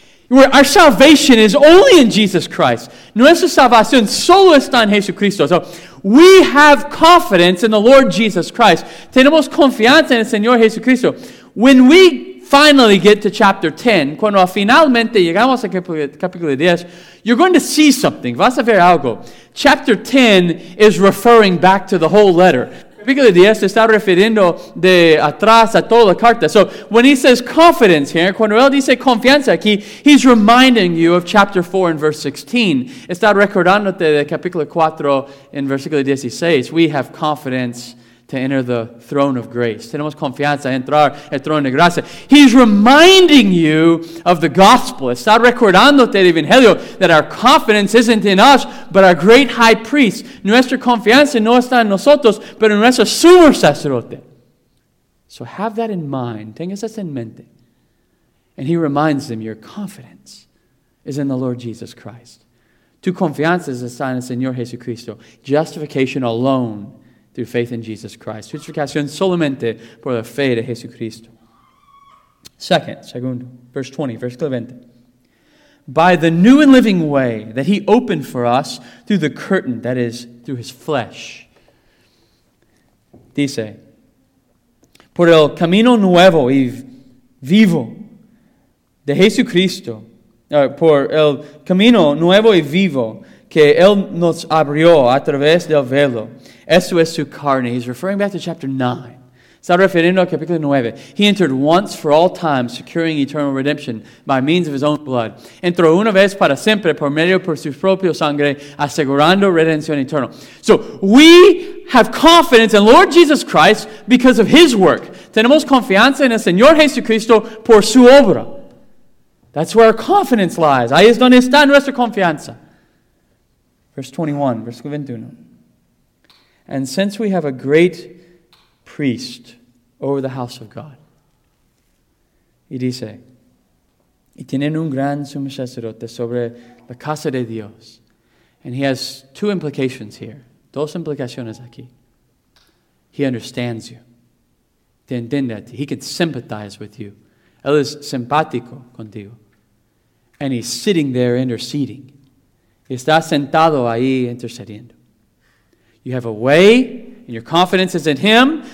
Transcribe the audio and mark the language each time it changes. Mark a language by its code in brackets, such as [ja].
[en] Our salvation is only in Jesus Christ. [es] Nuestra salvación solo está en Jesucristo. [en] So we have confidence in the Lord Jesus Christ. [es] Tenemos confianza en el Señor Jesucristo. [en] When we finally get to chapter 10, [es] cuando finalmente llegamos al capítulo 10, [en] you're going to see something. [es] Vas a ver algo. [en] Chapter 10 is referring back to the whole letter. [es] Capítulo 10 está refiriendo de atrás a toda la carta. [en] So, when he says confidence here, [es] cuando él dice confianza aquí, [en] he's reminding you of chapter 4 and verse 16. [es] Está recordándote de capítulo 4 en versículo 16. [en] We have confidence to enter the throne of grace. [es] Tenemos confianza en entrar al trono de gracia. [en] He's reminding you of the gospel. [es] Está recordándote el evangelio [en] that our confidence isn't in us, but our great high priest. [es] Nuestra confianza no está en nosotros, pero en nuestro sumo sacerdote. [en] So have that in mind. [es] Tengas eso en mente. [en] And he reminds them, your confidence is in the Lord Jesus Christ. [es] Tu confianza es en el Señor Jesucristo. [en] Justification alone through faith in Jesus Christ. [es] Justificación solamente por la fe de Jesucristo. Segundo, [en] verse 20, [es] versículo 20. [en] By the new and living way that he opened for us through the curtain, that is, through his flesh. [es] Dice, por el camino nuevo y vivo de Jesucristo, por el camino nuevo y vivo que él nos abrió a través del velo. Esto es su carne. [en] He's referring back to chapter 9. [es] Está refiriendo al capítulo 9. [en] He entered once for all time, securing eternal redemption by means of his own blood. [es] Entró una vez para siempre por medio por su propio sangre, asegurando redención eterna. [en] So, we have confidence in Lord Jesus Christ because of his work. [es] Tenemos confianza en el Señor Jesucristo por su obra. [en] That's where our confidence lies. [es] Ahí es donde está nuestra confianza. [en] Verse 21, [es] versículo 21. [en] And since we have a great priest over the house of God, [es] y dice, y tienen un gran sumo sacerdote sobre la casa de Dios. [en] And he has two implications here. [es] Dos implicaciones aquí. [en] He understands you. [es] Te entiende a ti. [en] He can sympathize with you. [es] Él es simpático contigo. [en] And he's sitting there interceding. [es] Está sentado ahí intercediendo. [en] You have a way, and your confidence is in him.